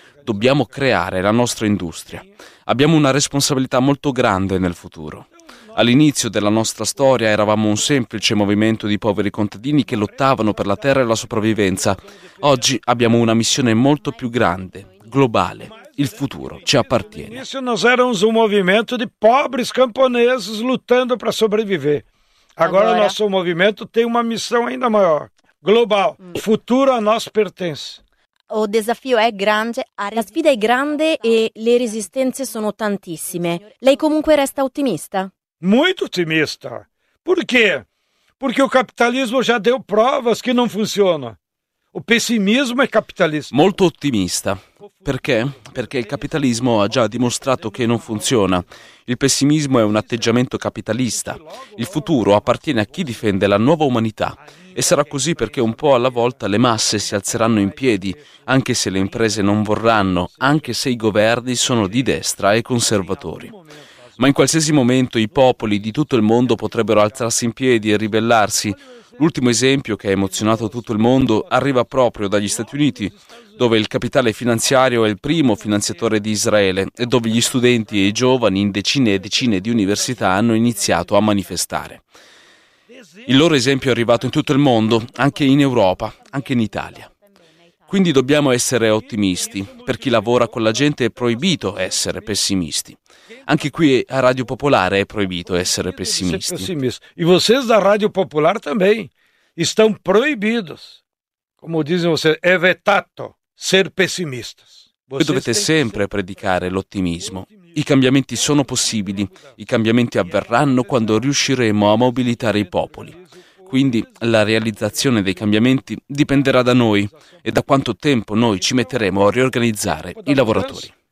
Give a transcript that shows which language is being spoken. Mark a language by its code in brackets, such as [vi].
[it] Dobbiamo creare la nostra industria. Abbiamo una responsabilità molto grande nel futuro. All'inizio della nostra storia eravamo un semplice movimento di poveri contadini che lottavano per la terra e la sopravvivenza. Oggi abbiamo una missione molto più grande, globale. Il futuro ci appartiene. [pt] Isso nós éramos um movimento de pobres camponeses lutando para sobreviver. Agora o nosso movimento tem uma missão ainda maior, global. O futuro a nós pertence. O desafio [it] è grande, la sfida è grande e le resistenze sono tantissime. Lei comunque resta ottimista? [pt] Muito otimista. Por quê? Porque o capitalismo já deu provas que não funciona. O pessimismo è capitalista. [it] Molto ottimista. Perché? Perché il capitalismo ha già dimostrato che non funziona. Il pessimismo è un atteggiamento capitalista. Il futuro appartiene a chi difende la nuova umanità. E sarà così perché un po' alla volta le masse si alzeranno in piedi, anche se le imprese non vorranno, anche se i governi sono di destra e conservatori. Ma in qualsiasi momento i popoli di tutto il mondo potrebbero alzarsi in piedi e ribellarsi. L'ultimo esempio che ha emozionato tutto il mondo arriva proprio dagli Stati Uniti, dove il capitale finanziario è il primo finanziatore di Israele e dove gli studenti e i giovani in decine e decine di università hanno iniziato a manifestare. Il loro esempio è arrivato in tutto il mondo, anche in Europa, anche in Italia. Quindi dobbiamo essere ottimisti. Per chi lavora con la gente è proibito essere pessimisti. Anche qui a Radio Popolare è proibito essere pessimisti. E voi da Radio Popolare anche, [pt] estão proibidos. [it] Come dicono voi, è vietato essere pessimisti. Voi dovete sempre predicare l'ottimismo. I cambiamenti sono possibili, i cambiamenti avverranno quando riusciremo a mobilitare i popoli. Quindi la realizzazione dei cambiamenti dipenderà da noi e da quanto tempo noi ci metteremo a riorganizzare i lavoratori.